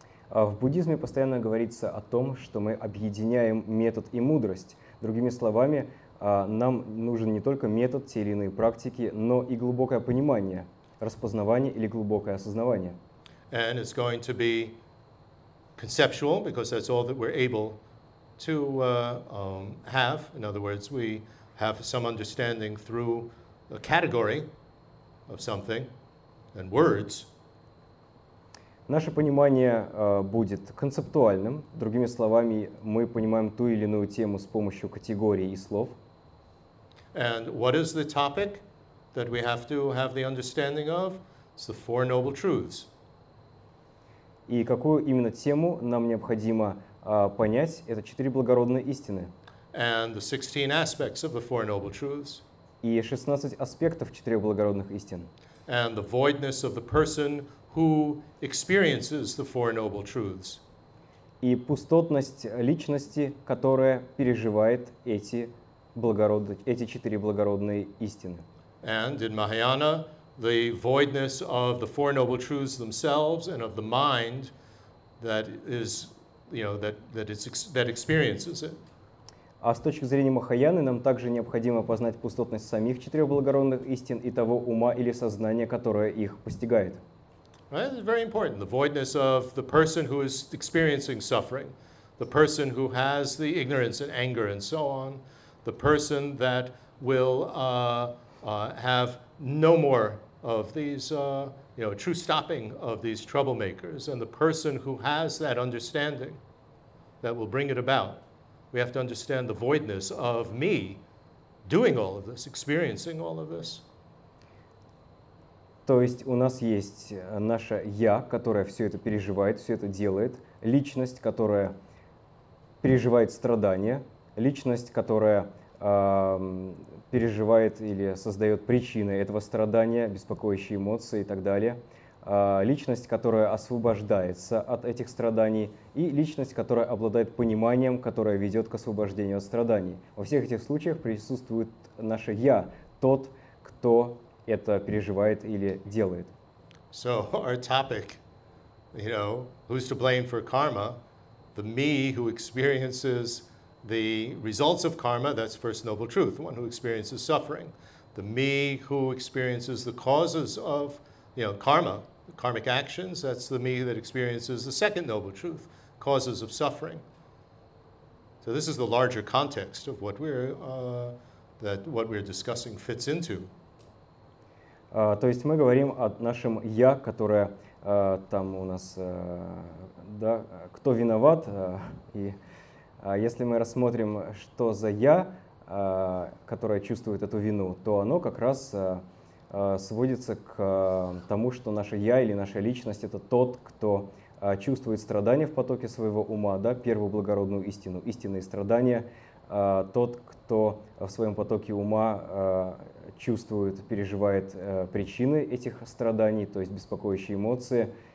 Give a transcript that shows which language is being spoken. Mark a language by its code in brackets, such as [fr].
[ru] В буддизме постоянно говорится о том, что мы объединяем метод и мудрость. Другими словами, нам нужен не только метод, те или иные практики, но и глубокое понимание, распознавание или глубокое осознавание. [en] And it's going to be conceptual, because that's all that we're able to have. In other words, we have some understanding through a category of something and words. [ru] Наше понимание будет концептуальным. Другими словами, мы понимаем ту или иную тему с помощью категорий и слов. [en] And what is the topic that we have to have the understanding of? It's the Four Noble Truths. [ru] И какую именно тему нам необходимо понять? Это четыре благородные истины. [en] And the 16 aspects of the Four Noble Truths. [ru] И 16 аспектов четырех благородных истин. [en] And the voidness of the person who experiences the Four Noble Truths. [ru] И пустотность личности, которая переживает эти четыре благородные истины. [en] And in Mahayana, the voidness of the Four Noble Truths themselves and of the mind that is, you know, that experiences it. [ru] А с точки зрения Махаяны, нам также необходимо познать пустотность самих четырех благородных истин и того ума или сознания, которое их постигает. [en] Right? It's very important, the voidness of the person who is experiencing suffering, the person who has the ignorance and anger and so on, the person that will have no more of these, you know, true stopping of these troublemakers, and the person who has that understanding that will bring it about. We have to understand the voidness of me doing all of this, experiencing all of this. [ru] То есть у нас есть наше «я», которое все это переживает, все это делает, личность, которая переживает страдания, личность, которая переживает или создает причины этого страдания, беспокоящие эмоции и так далее, личность, которая освобождается от этих страданий, и личность, которая обладает пониманием, которое ведет к освобождению от страданий. Во всех этих случаях присутствует наше «я», тот, кто это переживает или делает. [en] So our topic, you know, who's to blame for karma? The me who experiences the results of karma, that's First Noble Truth, one who experiences suffering. The me who experiences the causes of, you know, karma, karmic actions, that's the me that experiences the Second Noble Truth, causes of suffering. So this is the larger context of what we're discussing fits into. [ru] То есть мы говорим о нашем я, которое там у нас, да, кто виноват, и если мы рассмотрим, что за я, которое чувствует эту вину, то оно как раз сводится к тому, что наше я или наша личность — это тот, кто чувствует страдания в потоке своего ума, да, первую благородную истину, истинные страдания, тот, кто в своем потоке ума чувствует, переживает причины этих страданий, то есть беспокоящие эмоции.